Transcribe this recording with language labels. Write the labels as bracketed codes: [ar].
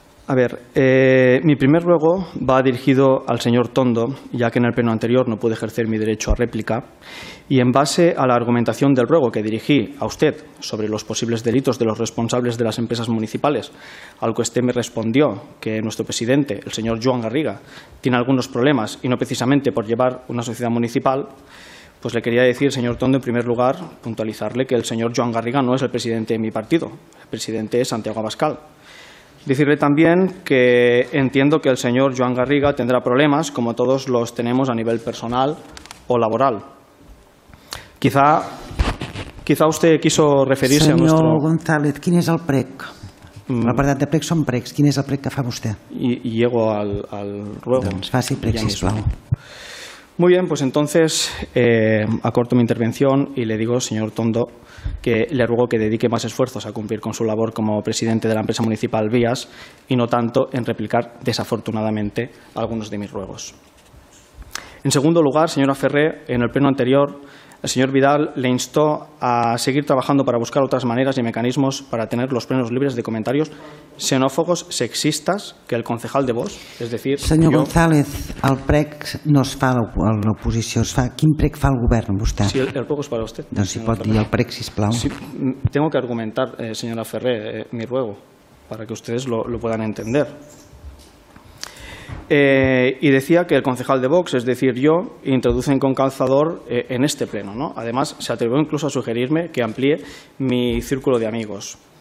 [es] A ver, mi primer ruego va dirigido al señor Tondo, ya que en el pleno anterior no pude ejercer mi derecho a réplica, y en base a la argumentación del ruego que dirigí a usted sobre los posibles delitos de los responsables de las empresas municipales, al que usted me respondió que nuestro presidente, el señor Joan Garriga, tiene algunos problemas, y no precisamente por llevar una sociedad municipal, pues le quería decir, señor Tondo, en primer lugar, puntualizarle que el señor Joan Garriga no es el presidente de mi partido, el presidente es Santiago Abascal. Decirle también que entiendo que el señor Joan Garriga tendrá problemas, como todos los tenemos a nivel personal o laboral. Quizá usted quiso referirse [ca] senyor [es] a nuestro... [ca] Senyor González, ¿quin és el prec? L'apartat de prec són precs. ¿Quin és el prec que fa vostè? [es] I llego al ruego. [ca] Doncs faci prec, sisplau. [es] Muy bien, pues entonces acorto mi intervención y le digo, señor Tondo, que le ruego que dedique más esfuerzos a cumplir con su labor como presidente de la empresa municipal Vías y no tanto en replicar desafortunadamente algunos de mis ruegos. En segundo lugar, señora Ferré, en el pleno anterior, el señor Vidal le instó a seguir trabajando para buscar otras maneras y mecanismos para tener los plenos libres de comentarios xenófobos, sexistas, que el concejal de Vox, es decir... [ca] Senyor González, el prec no es fa a l'oposició, es fa... Quin prec fa el govern, vostè? Sí, el prec és per a vostè. Doncs si pot dir el prec, sisplau. [es] Sí, tengo que argumentar, señora Ferrer, mi ruego, para que ustedes lo puedan entender. Y decía que el concejal de Vox, es decir, yo, introducen con calzador en este pleno, ¿no? Además, se atrevió incluso a sugerirme que amplíe mi círculo de amigos.